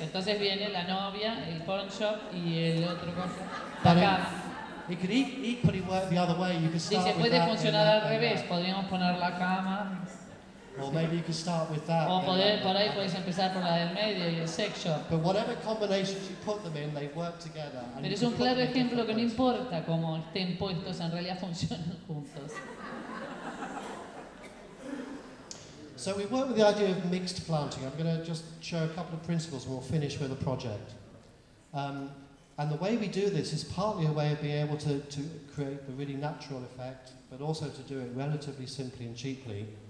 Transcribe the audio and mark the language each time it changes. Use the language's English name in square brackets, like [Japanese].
[Spanish] Entonces viene la novia, el pawn shop, y el otro cosa, la cama. [English] It could equally work the other way. You could start [Spanish] Dice, [English] with [Spanish] puede [English] that [Spanish] funcionar al revés. Podríamos poner la cama. [English] Or maybe you could start with that. [Spanish] O poder, por ahí puedes empezar por la del medio y el sex shop. [English] But whatever combinations you put them in, they work together. [Spanish] Pero es un claro ejemplo que no importa cómo estén puestos, en realidad funcionan juntos. [English] So we work with the idea of mixed planting. I'm going to just show a couple of principles and we'll finish with a project. And the way we do this is partly a way of being able to create the really natural effect, but also to do it relatively simply and cheaply.